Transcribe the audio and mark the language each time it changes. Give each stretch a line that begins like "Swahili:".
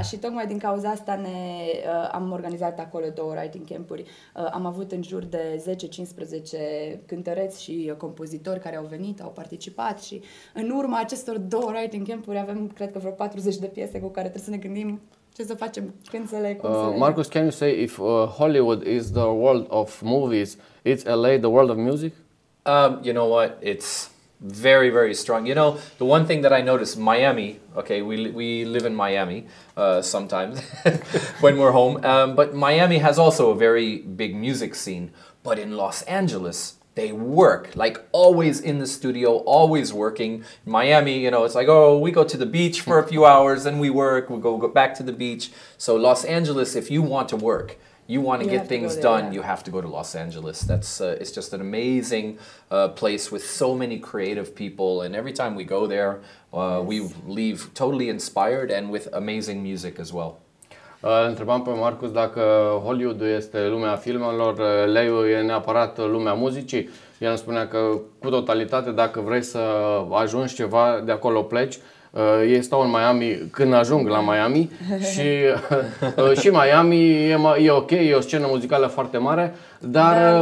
Romanian: Și tocmai din cauza asta am organizat acolo două writing camp-uri. Am avut în jur de 10-15 cântăreți și compozitori care au venit, au participat și în urma acestor două writing camp-uri avem, cred că vreo 40 de piese cu care trebuie să ne gândim ce să facem, când să le...
English: Marcus, can you say if Hollywood is the world of movies, it's LA the world of music? You know what? It's very, very strong. You know, the one thing that I noticed, Miami, okay, we live in Miami sometimes when we're home, but Miami has also a very big music scene, but in Los Angeles... They work, like always in the studio, always working. Miami, you know, it's like, oh, we go to the beach for a few hours, then we work, we go back to the beach. So Los Angeles, if you want to work, you want to get things done, you have to go to Los Angeles. That's it's just an amazing place with so many creative people. And every time we go there, we leave totally inspired and with amazing music as well.
Romanian: Întrebam pe Marcus dacă Hollywood este lumea filmelor, LA-ul e neapărat lumea muzicii. El îmi spunea că cu totalitate, dacă vrei să ajungi ceva, de acolo pleci. Ei stau în Miami când ajung la Miami și, și Miami e ok, e o scenă muzicală foarte mare, dar da.